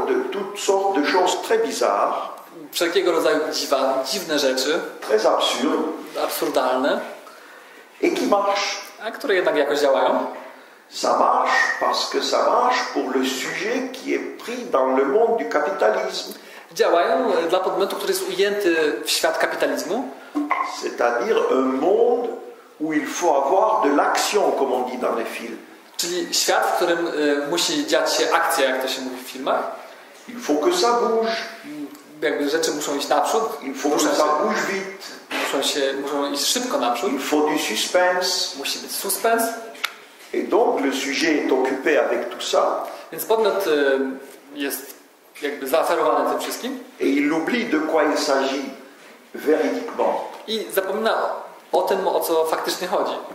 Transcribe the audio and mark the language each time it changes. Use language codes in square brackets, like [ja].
[fr] Toutes sortes de choses très bizarres. [pl] Wszelkiego rodzaju dziwa, dziwne rzeczy. [fr] Très absurde. [pl] Absurdalne. [fr] Et qui marche. [pl] A które jednak jakoś działają. [fr] Ça marche parce que ça marche pour le sujet qui est pris dans le monde du capitalisme. [pl] Działają dla podmiotu, który jest ujęty w świat kapitalizmu. [fr] C'est-à-dire un monde où il faut avoir de l'action, comme on dit dans les films. [pl] Czyli świat, w którym musi dziać się akcja, jak to się mówi w filmach. [fr] Il faut que ça bouge. [pl] Jakby rzeczy muszą iść naprzód. [fr] Il faut que ça bouge vite. [pl] Muszą iść szybko naprzód. [fr] Il faut du suspense. [pl] Musi być suspense. [fr] Et donc le sujet est occupé avec tout ça. [pl] Więc podmiot jest jakby zaaferowany tym wszystkim. [fr] Et il oublie de quoi il s'agit véridiquement. [pl] I zapomina o tym, o co faktycznie chodzi.